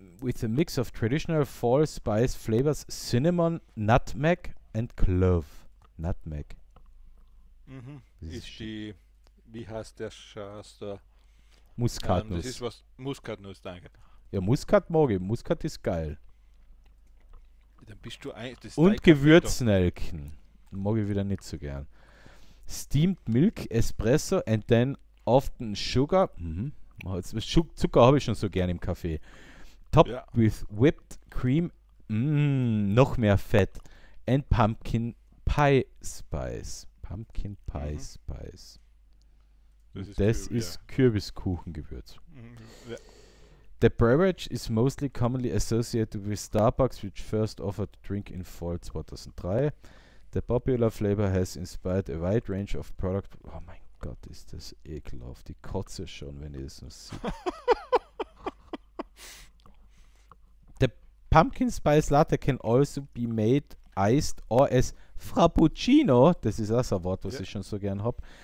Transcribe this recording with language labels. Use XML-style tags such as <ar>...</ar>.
<en>With a mix of traditional fall spice flavors, cinnamon, nutmeg and clove. Nutmeg. Mhm.</en> <de>Ist die, wie heißt der Schaster? Muskatnuss. Das ist was, Muskatnuss, danke. Ja, Muskat mag ich. Muskat ist geil. Dann bist du ein, das und Gewürznelken. Doch. Mag ich wieder nicht so gern.</de> <en>Steamed milk, espresso and then often sugar. Mhm.</en> <de>Zucker habe ich schon so gern im Kaffee. Top ja.</de> <en>With whipped cream,</en> <de>noch mehr Fett.</de> <en>And pumpkin pie spice. Pumpkin pie spice.</en> <de>Das ist, Kürbiskuchengewürz. Ja.</de> <en>The beverage is mostly commonly associated with Starbucks, which first offered a drink in fall 2003. The popular flavor has inspired a wide range of products.</en> <de>Oh mein Gott. Gott, ist das ekelhaft. Ich kotze schon, wenn ihr das noch seht.</de> <en>The Pumpkin Spice Latte can also be made iced or as Frappuccino.</en> <de>Das ist auch so ein Wort, was ich schon so gern habe.</de>